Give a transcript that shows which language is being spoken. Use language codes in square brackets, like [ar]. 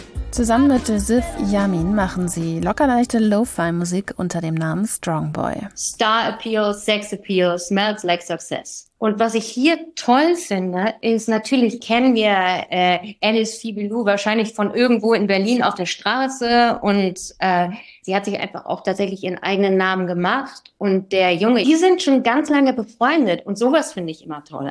[de] Zusammen mit Sif Yamin machen sie lockerleichte Lo-Fi-Musik unter dem Namen Strong Boy. [en] Star Appeal, Sex Appeal, smells like success. [de] Und was ich hier toll finde, ist natürlich, kennen wir Alice Phoebe Lou wahrscheinlich von irgendwo in Berlin auf der Straße. Und sie hat sich einfach auch tatsächlich ihren eigenen Namen gemacht. Und der Junge, die sind schon ganz lange befreundet. Und sowas finde ich immer toll.